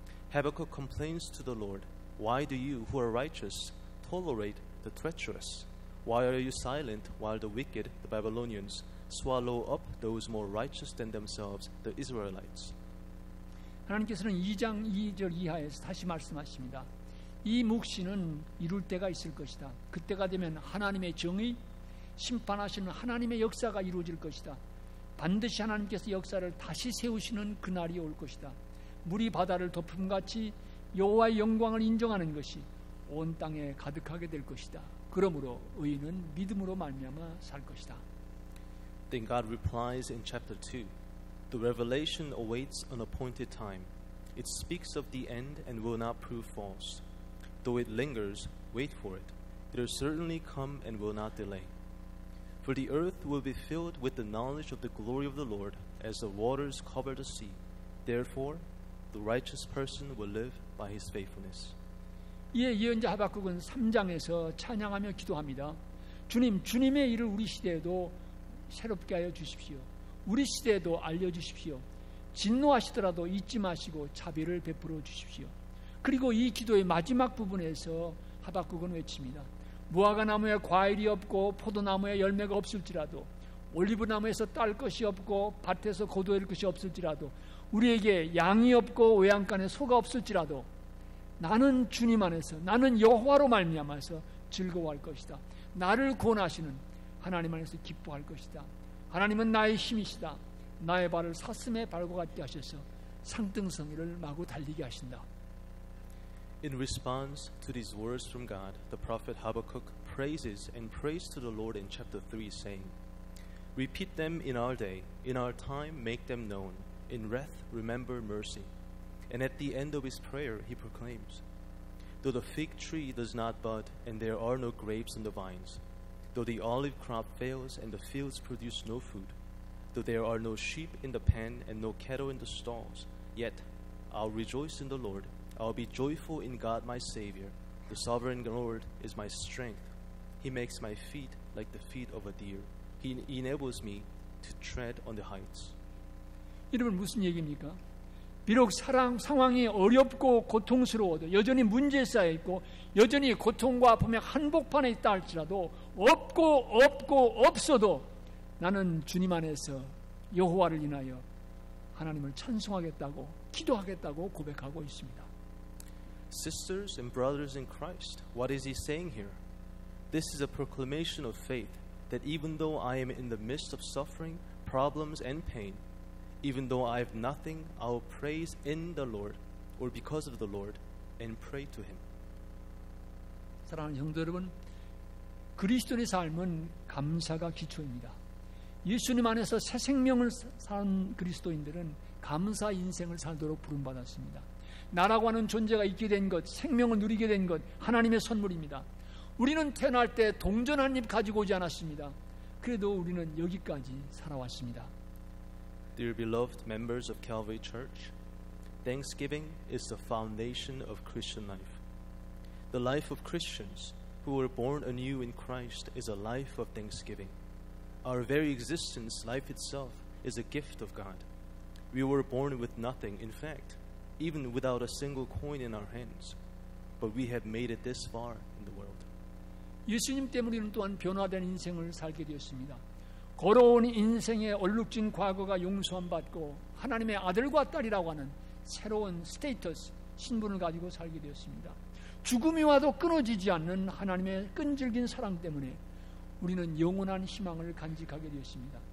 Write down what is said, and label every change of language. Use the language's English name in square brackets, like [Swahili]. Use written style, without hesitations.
[English] Habakkuk complains to the Lord, Why do you, who are righteous, tolerate the treacherous? Why are you silent while the wicked, the Babylonians, swallow up those more righteous than themselves, the Israelites? [Korean] 하나님께서는 2장 2절 이하에서 다시 말씀하십니다. 이 묵시는 이룰 때가 있을 것이다. 그때가 되면 하나님의 정의, 심판하시는 하나님의 역사가 이루어질 것이다. 반드시 하나님께서 역사를 다시 세우시는 그날이 올 것이다. 물이 바다를 덮음같이 여호와의 영광을 인정하는 것이 온 땅에 가득하게 될 것이다. 그러므로 의인은 믿음으로 말미암아 살 것이다. [English] Then God replies in chapter 2. The revelation awaits an appointed time. It speaks of the end and will not prove false. Though it lingers, wait for it. It will certainly come and will not delay. For the earth will be filled with the knowledge of the glory of the Lord as the waters cover the sea. Therefore, the righteous person will live by his faithfulness. [Korean] 예, 예언자 하박국은 3장에서 찬양하며 기도합니다. 주님, 주님의 일을 우리 시대에도 새롭게 하여 주십시오. 우리 시대에도 알려주십시오. 진노하시더라도 잊지 마시고 자비를 베풀어 주십시오. 그리고 이 기도의 마지막 부분에서 하박국은 외칩니다. 무화과나무에 과일이 없고 포도나무에 열매가 없을지라도 올리브나무에서 딸 것이 없고 밭에서 거두어일 것이 없을지라도 우리에게 양이 없고 외양간에 소가 없을지라도 나는 주님 안에서 나는 여호와로 말미암아서 즐거워할 것이다. 나를 구원하시는 하나님 안에서 기뻐할 것이다. 하나님은 나의 힘이시다. 나의 발을 사슴의 발과 같게 하셔서 상등성이를 마구 달리게 하신다. [English] In response to these words from God, the prophet Habakkuk praises and prays to the Lord in chapter 3, saying, Repeat them in our day, in our time make them known, in wrath remember mercy. And at the end of his prayer, he proclaims, Though the fig tree does not bud, and there are no grapes in the vines, though the olive crop fails and the fields produce no food, though there are no sheep in the pen and no cattle in the stalls, yet I'll rejoice in the Lord, I'll be joyful in God my Savior. The Sovereign Lord is my strength. He makes my feet like the feet of a deer. He enables me to tread on the heights. [Korean] 여러분 무슨 얘기입니까? 비록 상황이 어렵고 고통스러워도 여전히 문제에 쌓여 있고 여전히 고통과 아픔의 한복판에 있다 할지라도 없고 없고 없어도 나는 주님 안에서 여호와를 인하여 하나님을 찬송하겠다고 기도하겠다고 고백하고 있습니다. [English] Sisters and brothers in Christ, what is he saying here? This is a proclamation of faith that even though I am in the midst of suffering, problems, and pain, even though I have nothing, I will praise in the Lord or because of the Lord and pray to him. [Korean] 사랑하는 형제 여러분, 그리스도인의 삶은 감사가 기초입니다. 예수님 안에서 새 생명을 산 그리스도인들은 감사 인생을 살도록 부름받았습니다. 나라고 하는 존재가 있게 된 것, 생명을 누리게 된 것, 하나님의 선물입니다. 우리는 태어날 때 동전 한 입 가지고 오지 않았습니다. 그래도 우리는 여기까지 살아왔습니다. [English] Dear beloved members of Calvary Church, Thanksgiving is the foundation of Christian life. The life of Christians who were born anew in Christ is a life of thanksgiving. Our very existence, life itself, is a gift of God. We were born with nothing, in fact, even without a single coin in our hands. But we have made it this far in the world. [Korean] 예수님 때문에 우리는 또한 변화된 인생을 살게 되었습니다. 거로운 인생의 얼룩진 과거가 용서함 받고 하나님의 아들과 딸이라고 하는 새로운 스테이터스, 신분을 가지고 살게 되었습니다. 죽음이 와도 끊어지지 않는 하나님의 끈질긴 사랑 때문에 우리는 영원한 희망을 간직하게 되었습니다.